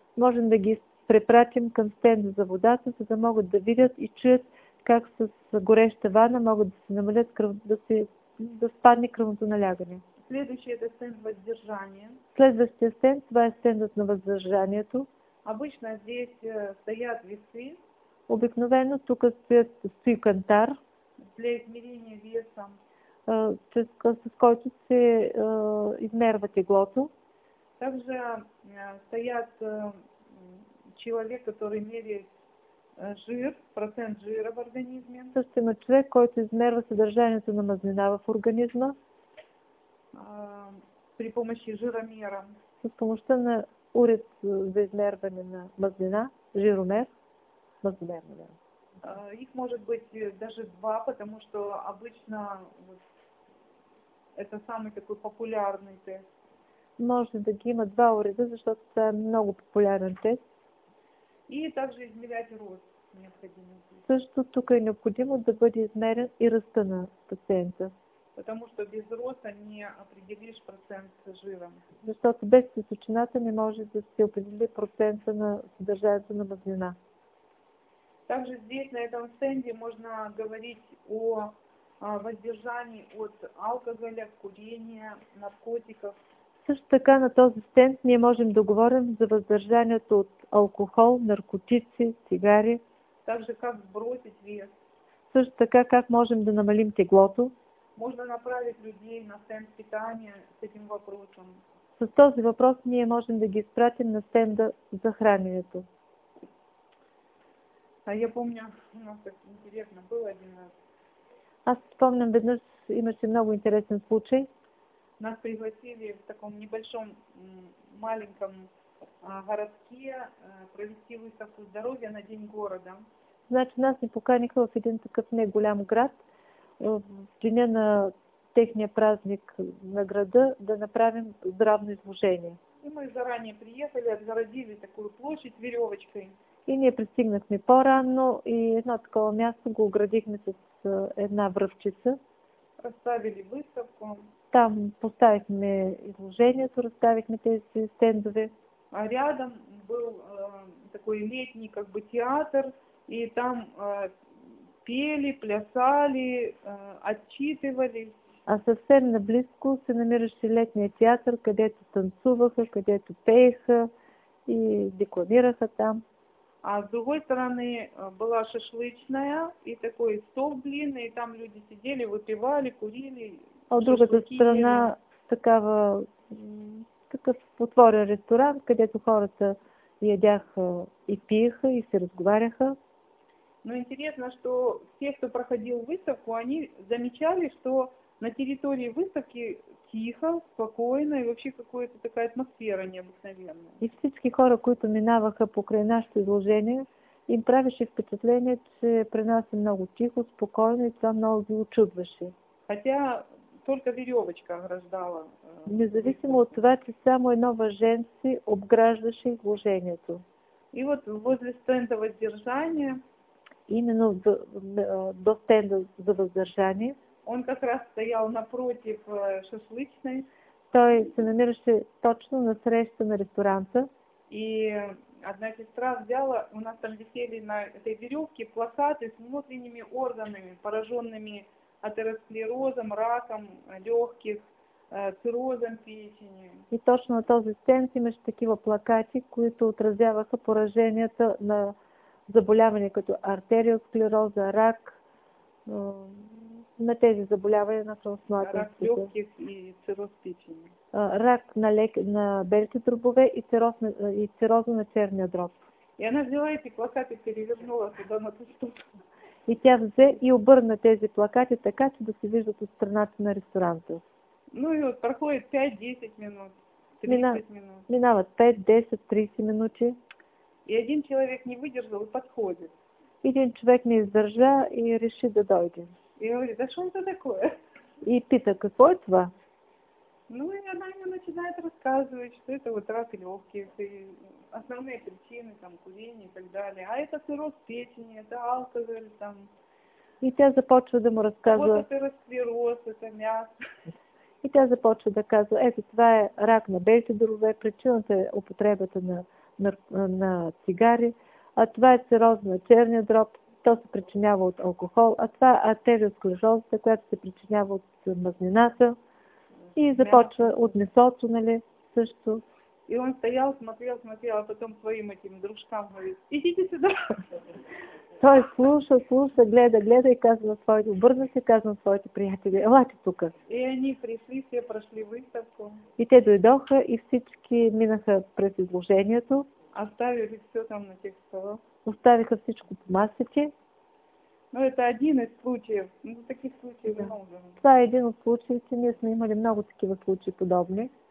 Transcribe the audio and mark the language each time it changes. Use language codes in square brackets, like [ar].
[bg] Можем да ги препратим към стенд за водата, за да могат да видят и чуят как с гореща ванна могат да се намалят кръвното, да спадне кръвното налягане. [ru] Следующий – это стенд воздержания. [bg] Следващия стенд – това е стендът на въздържанието. [ru] Обычно здесь стоят весы. [bg] Обикновено тук стои кантар. [ru] Для измерения веса. [bg] С който се измерва теглото. [ru] Также стоят человек, который меряет жир, процент жира в организме. [bg] Също има човек, който измерва съдържанието на мазнина в организма. [ru] При помощи жиромера. [bg] С помощта на уред за измерване на мазнина, жиромер. [ru] Мазномер, наверное. Их может быть даже два, потому что обычно вот, это самый такой популярный тест. [bg] Може да ги има два уреда, защото това е много популярен тест. [ru] И также измерять рост необходимо. [bg] Също тук е необходимо да бъде измерен и ръста на пациента. [ru] Потому что без роста не определишь процент жира. [bg] Защото без височината не може да се определи процента на съдържанието на мазнина. [ru] Также здесь, на этом стенде, можно говорить о воздержании от алкоголя, курения, наркотиков. [bg] Също така на този стенд ние можем да говорим за въздържанието от алкохол, наркотици, цигари. [ru] Также как сбросить вес. [bg] Също така как можем да намалим теглото. [ru] Можно направить людей на стенд питания с этим вопросом. [bg] С този въпрос ние можем да ги изпратим на стенда за храненето. [ru] А я помню, у нас так интересно было один раз. [bg] Аз спомням веднъж, имаше много интересен случай. [ru] Нас пригласили в таком небольшом, маленьком городке провести выставку здоровья на День города. [bg] Значи нас не поканиха в един такъв не голям град, в деня на техния празник на града, да направим здравно изложение. [ru] И мы заранее приехали, отгородили такую площадь веревочкой. [bg] И ние пристигнахме по-рано и едно такова място го оградихме с една връвчица. [ru] Разставили выставку. [bg] Там поставихме изложението, разставихме тези стендове. [ru] А рядом был такой летний как бы театр, и там пели, плясали, отчитывали. [bg] А съвсем наблизко се намираше летния театър, където танцуваха, където пееха и декламираха там. [ru] А с другой стороны была шашлычная и такой стол длинный, и там люди сидели, выпивали, курили. А с другой стороны [bg] такава такъв отворен ресторан, където хората ядяха и пиеха и се разговаряха. [ru] Но интересно, что все, кто проходил выставку, они замечали, что на территории выставки тихо, спокойно и вообще какая-то такая атмосфера необыкновенная. [bg] И всички хора, които минаваха покрай нашето изложение, им правеше впечатление, че при нас е много тихо, спокойно и това много ги учудваше. [ru] Хотя только веревочка ограждала. [bg] Независимо от това, че само едно въженце обграждаше изложението. [ru] И вот возле стенда въздержания. [bg] Именно до стенда за въздържание. [ru] Он как раз стоял напротив шашлычной. [bg] Той се намираше точно на среща на ресторанта. [ru] И одна сестра взяла, у нас там висели на этой веревке плакаты с внутренними органами, пораженными атеросклерозом, раком легких, циррозом печени. [bg] И точно на този стенд имаше такива плакати, които отразяваха пораженията на заболявания като артериосклероза, рак, на тези заболявания на трансплантациите. [ru] Рак легких и цироз печени. [bg] Рак на белите дробове и цироза на черния дроб. [ru] И она взяла эти плакати, перевернула туда на ту сторону. [bg] И тя взе и обърна тези плакати така, че да се виждат от страната на ресторанта. [ru] Ну и вот проходит 5-10 минут, 30 минут. [bg] Минават 5-10, 30 минути. [ru] И один человек не выдержал и подходит. [bg] Един човек не издържа и реши да дойде. [ru] И говорит, да что это такое? [bg] И пита, какво е това? [ru] Ну и она мне начинает рассказывать, что это вот рак легких, и основные причины, там, курение и так далее. А это цирроз печени, это алкоголь, там. [bg] И тя започва да му разказва. [ru] Вот атеросклероз, это мясо. [bg] И тя започва да казва, ето това е рак на белите дробове, причината е употребата на цигари, а това е цироз на черния дроб, то се причинява от алкохол, а това е артериосклероза, която се причинява от мазнината. И започва от месото, нали, също. [ru] И он стоял, смотрел, смотрел, а потом своим этим дружкам говорит, идите сюда. [bg] Той слуша, слуша, гледа, гледа и казва своите, обърна се, казва своите приятели, елате тук. [ru] И они пришли, все прошли выставку. [bg] И те дойдоха и всички минаха през изложението. [ru] Оставили все там на тех столах. [bg] Оставиха всичко по масите. [ru] Но это один из случаев. Ну, таких случаев да. Много. [bg] Това е един от случаите. Ние сме имали много такива случаи подобни.